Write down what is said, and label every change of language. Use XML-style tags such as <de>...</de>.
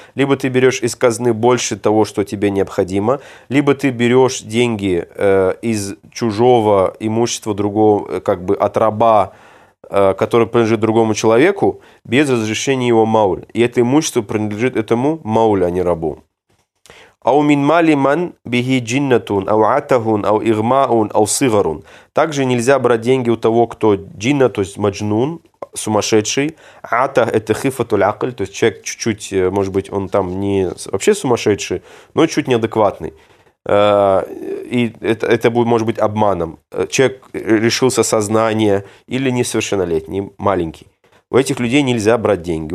<ru>Либо ты берешь из казны больше того, что тебе необходимо, либо ты берешь деньги из чужого имущества другого, как бы от раба, который принадлежит другому человеку, без разрешения его мауль. И это имущество принадлежит этому мауль, а не рабу.</ru> <ar>أو من مال من به جنة أو عته أو إغماء أو صغر.</ar> <ru>Также нельзя брать деньги у того, кто джинна, то есть маджнун, сумасшедший. Ата – это хифат уль-акль, то есть человек чуть-чуть, может быть, он там не вообще сумасшедший, но чуть неадекватный. И это будет, может быть, обманом. Человек решился сознание или несовершеннолетний, маленький. У этих людей нельзя брать деньги.</ru>